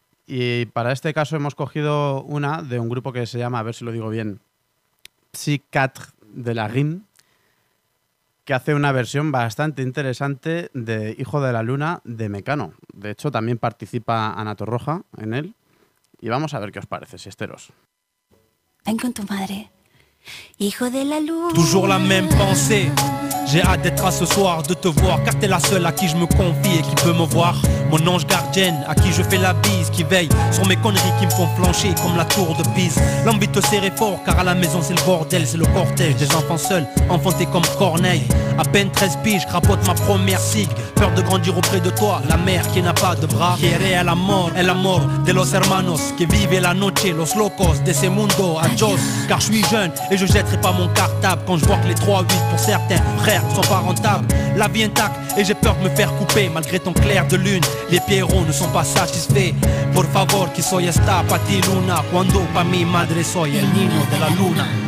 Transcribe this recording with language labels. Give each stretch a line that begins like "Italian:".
Spanish: Y para este caso hemos cogido una de un grupo que se llama, a ver si lo digo bien, Psy 4 de la Rime, que hace una versión bastante interesante de Hijo de la Luna de Mecano. De hecho, también participa Ana Torroja en él. Y vamos a ver qué os parece, Siesteros. Ven con tu madre. Hijo de la Luna.
French: Toujours la même pensée. J'ai hâte d'être à ce soir, de te voir, car t'es la seule à qui je me confie et qui peut me voir. Mon ange gardienne, à qui je fais la bise, qui veille sur mes conneries qui me font flancher comme la tour de Pise. L'envie de te serrer fort, car à la maison c'est le bordel, c'est le cortège des enfants seuls, enfantés comme Corneille. À peine 13 piges, je crapote ma première cigue, peur de grandir auprès de toi, la mère qui n'a pas de bras.
Spanish: Quiere el amor de los hermanos, que vive la noche, los locos de ce mundo, adios.
French: Car je suis jeune et je jetterai pas mon cartable quand je vois que les 3-8 pour certains frères sont pas rentables. La vie intacte et j'ai peur de me faire couper malgré ton clair de lune. Les pierrots ne sont pas satisfaits.
Spanish: Por favor, que soy esta pa' ti luna. Cuando pa' mi madre soy el niño de la luna.